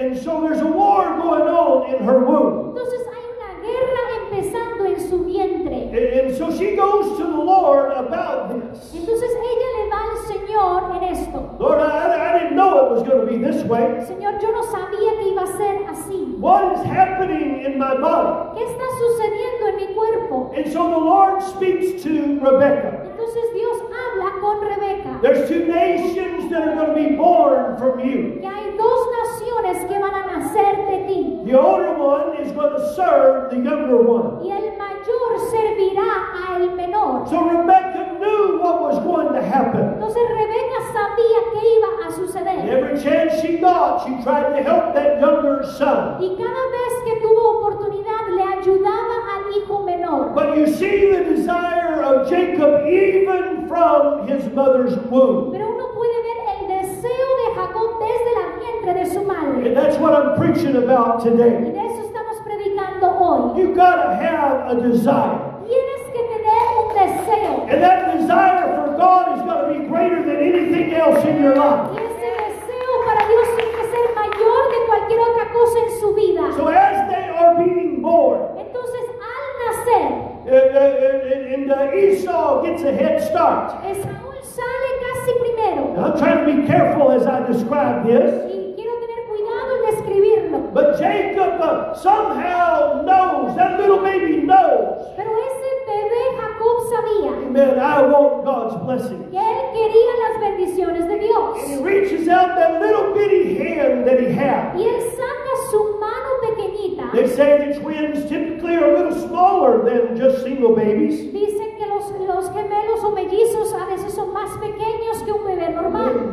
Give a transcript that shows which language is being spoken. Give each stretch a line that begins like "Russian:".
English: And so there's a war going on in her womb.
Spanish: Entonces hay una guerra empezando en su vientre.
English: And so she goes to the Lord about this.
Spanish: Entonces ella le va al Señor en esto.
English: Lord, I didn't know it was going to be this way.
Spanish: Señor, yo no sabía que iba a ser así.
English: What is happening in my body?
Spanish: ¿Qué está sucediendo en mi cuerpo?
English: And so the Lord speaks to Rebecca.
Spanish: Entonces Dios habla con Rebeca.
English: There's two nations that are going to be born from you.
Spanish: Y hay dos naciones que van a nacer de ti.
English: The older one is going to serve the younger one.
Spanish: Y el mayor servirá al menor.
English: So Rebecca knew what was going to happen.
Spanish: Entonces Rebeca sabía qué iba a suceder.
English: And every chance she got, she tried to help that younger son.
Spanish: Y cada vez que tuvo oportunidad, le ayudaba al hijo menor.
English: But you see the desire of Jacob even from his mother's womb.
Spanish: Pero uno puede ver el deseo de Jacob desde la vientre de su madre.
English: And that's what I'm preaching about today.
Spanish: Y de eso estamos predicando hoy.
English: You gotta have a desire.
Spanish: Tienes que tener un deseo.
English: And that desire for God is gonna be greater than anything else in your life.
Spanish: Y ese deseo para Dios tiene que ser mayor que cualquier otra cosa en su vida.
English: So as they are being born.
Spanish: Entonces al nacer.
English: And Esau gets a head start.
Spanish: Esaú sale casi primero.
English: Now, I'm trying to be careful as I describe this.
Spanish: Y quiero tener cuidado en describirlo.
English: But Jacob somehow knows, that little baby knows.
Spanish: Pero ese bebé Jacob sabía.
English: Amen, I want God's blessings.
Spanish: Que él quería las bendiciones de Dios.
English: And he reaches out that little bitty hand that he had.
Spanish: Y él saca su mano pequeñita.
English: They say the twins typically are a little smaller than just single babies.
Spanish: Dicen que los gemelos o mellizos a veces son más pequeños que un bebé normal.